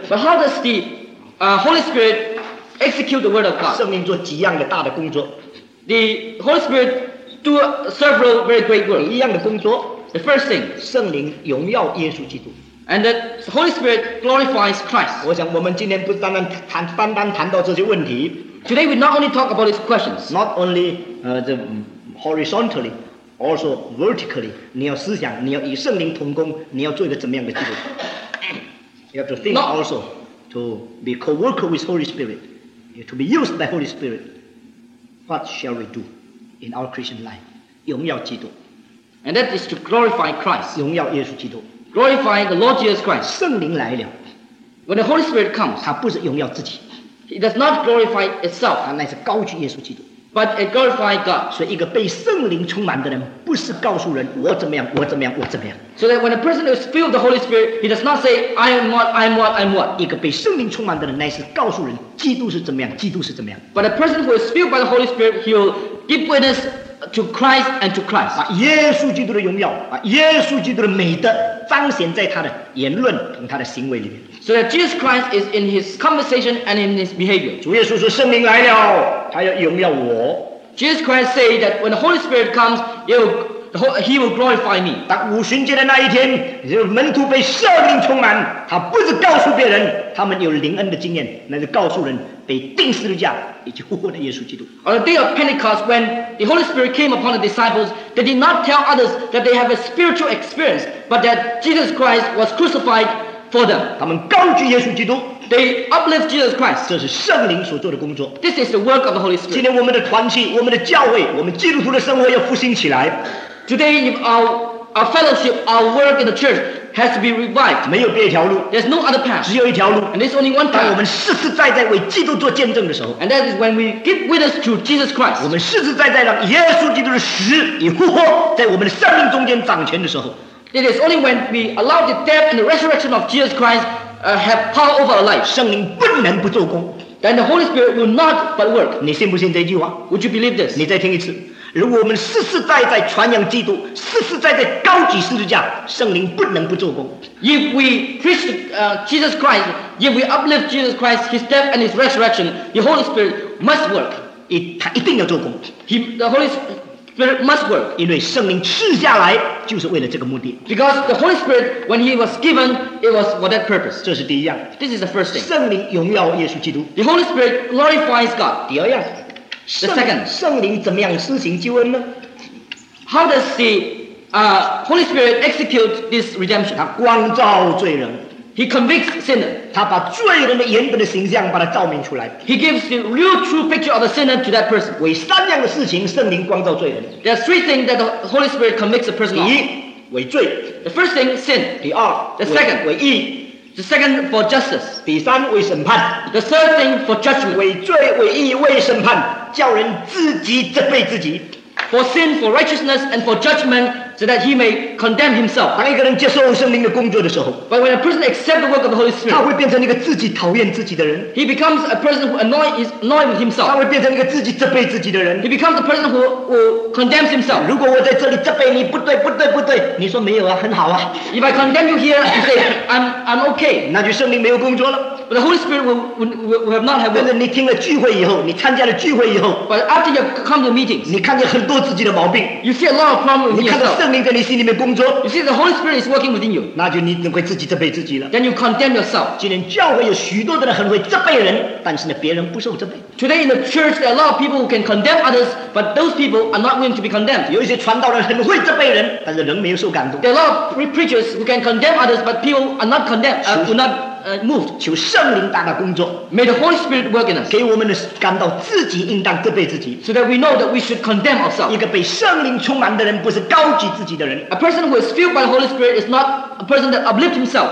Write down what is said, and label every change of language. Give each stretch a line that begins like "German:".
English: ？But how does the Holy Spirit execute the word of God？
Chinese: 圣灵做几样的大的工作
English: ？The Holy Spirit。 Do several very great work.
Chinese: 一样的工作
English: The first thing,
Chinese: 圣灵荣耀耶稣基督
English: And the Holy Spirit glorifies Christ.
Chinese: 我想我们今天不单单谈单单谈到这些问题
English: Today we not only talk about these questions. Not only the horizontally, also vertically.
Chinese: 你要思想，你要与圣灵同工，你要做一个怎么样的基督徒
English: You have to think not, also to be co-worker with Holy Spirit. You have to be used by Holy Spirit. What shall we do? In our Christian life,
Chinese: 荣耀基督
English: and that is to glorify Christ.
Chinese: 荣耀耶稣基督
English: glorify the Lord Jesus Christ.
Chinese: 圣灵来了
English: when the Holy Spirit comes,
Chinese: 他不是荣耀自己
English: he does not glorify itself.
Chinese: 他乃是高举耶稣基督
English: but it glorifies God.
Chinese: 所以一个被圣灵充满的人，不是告诉人我怎么样，我怎么样，我怎么样
English: So that when a person is filled with the Holy Spirit, he does not say, "I am what, I am what, I am what."
Chinese: 一个被圣灵充满的人，乃是告诉人基督是怎么样，基督是怎么样
English: But a person who is filled by the Holy Spirit, he will Give witness to Christ and to Christ.
Chinese: 把耶稣基督的荣耀，把耶稣基督的美德彰显在他的言论和他的行为里面。
English: So that Jesus Christ is in his conversation and in his behavior.
Chinese: 主耶稣说圣灵来了，他要荣耀我。
English: Jesus Christ said that when the Holy Spirit comes, he will glorify me.
Chinese: 当五旬节的那一天，门徒被圣灵充满，他不是告诉别人他们有灵恩的经验，那是告诉人被钉十字架。
English: On the day of Pentecost, when the Holy Spirit came upon the disciples, they did not tell others that they have a spiritual experience, but that Jesus Christ was crucified for them.
Chinese: 他们高举耶稣基督
English: They uplift Jesus Christ.
Chinese: 这是圣灵所做的工作
English: This is the work of the Holy Spirit.
Chinese: 今天我们的团契，我们的教会，我们基督徒的生活要复兴起来
English: Today, our fellowship, our work in the church. Has to be revived.
Chinese: 没有别一条路
English: There's no other path.
Chinese: 只有一条路
English: And there's only one path.
Chinese: 当我们实实在在为基督做见证的时候
English: And that is when we give witness to Jesus Christ.
Chinese: 我们实实在在让耶稣基督的死与复活在我们的生命中间掌权的时候
English: It is only when we allow the death and the resurrection of Jesus Christ have power over our life.
Chinese: 圣灵不能不做工
English: Then the Holy Spirit will not but work.
Chinese: 你信不信这句话
English: Would you believe this?
Chinese: 你再听一次如果我们实实在在传扬基督，实实在在高举十字架，圣灵不能不做工。
English: If we preach Jesus Christ, if we uplift Jesus Christ, His death and His resurrection, the Holy Spirit must work.
Chinese: 他一定要做工。
English: The Holy Spirit must work.
Chinese: 因为圣灵赐下来就是为了这个目的。
English: Because the Holy Spirit, when He was given, it was for that purpose.
Chinese: 这是第一样。
English: This is the first thing.
Chinese: 圣灵荣耀耶稣基督。
English: The Holy Spirit glorifies God.
Chinese: 第二样。
English: The second,
Chinese: 圣灵怎么样施行救恩呢
English: ？How does the Holy Spirit execute this redemption?
Chinese: 他光照罪人
English: ，He convicts sinner.
Chinese: 他把罪人的原本的形象把它照明出来
English: ，He gives the real true picture of the sinner to that person.
Chinese: 为三样的事情，圣灵光照罪人。
English: There are three things that the Holy Spirit convicts a person of.
Chinese: 第一，为罪。
English: The first thing, sin.
Chinese: 第二
English: ，The second,
Chinese: 为义。
English: The second for justice.
Chinese: 第三为审判。
English: The third thing for judgment.
Chinese: 为罪、为义、为审判，叫人自己责备自己。
English: For sin, for righteousness, and for judgment, so that he may condemn himself.
Chinese: 当一个人接受圣灵的工作的时候
English: ，But when a person accepts the work of the Holy Spirit,
Chinese: 他会变成一个自己讨厌自己的人。
English: He becomes a person who annoys with himself.
Chinese: 他会变成一个自己责备自己的人。
English: He becomes a person who condemns himself.
Chinese: 如果我在这里责备你，不对，不对，不对，你说没有啊，很好啊。
English: If I condemn you here, you say I'm okay.
Chinese: 那就圣灵没有工作了。
English: the Holy Spirit will not have. But after you come to meetings,
Chinese: 你看见很多自己的毛病,
English: you see a lot of problems in yourself. You see the Holy Spirit is working within you.
Chinese: 那就你能会自己责备自己了,
English: then you condemn yourself.
Chinese: 今天教会有许多的人很会责备人, 但是呢别人不受责备。
English: Today in the church there are a lot of people who can condemn others, but those people are not going to be condemned.
Chinese: 有一些传道人很会责备人, 但是人没有受感动。
English: There are a lot of preachers who can condemn others, but people are not condemned, moved. May the Holy Spirit work in us,
Chinese: 给我们的感到自己应当责备自己,
English: so that we know that we should condemn ourselves.
Chinese: 一个被圣灵充满的人不是高举自己的人,
English: a person who is filled by the Holy Spirit is not a person that uplifts himself,